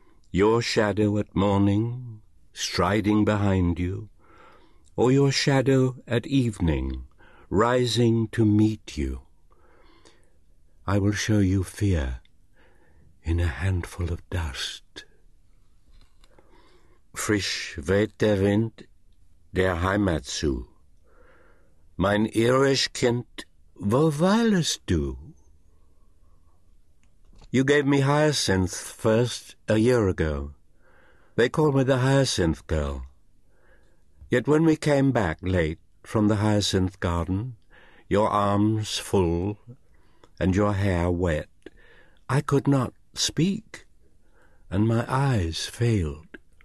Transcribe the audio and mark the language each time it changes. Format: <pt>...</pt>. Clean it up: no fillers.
<en>Your shadow at morning, striding behind you, or your shadow at evening, rising to meet you. I will show you fear in a handful of dust.</en> <de>Frisch weht der Wind der Heimat zu. Mein irisch Kind, wo weilest du?</de> <en>You gave me hyacinth first a year ago. They called me the hyacinth girl. Yet when we came back late from the hyacinth garden, your arms full and your hair wet, I could not speak, and my eyes failed.</en>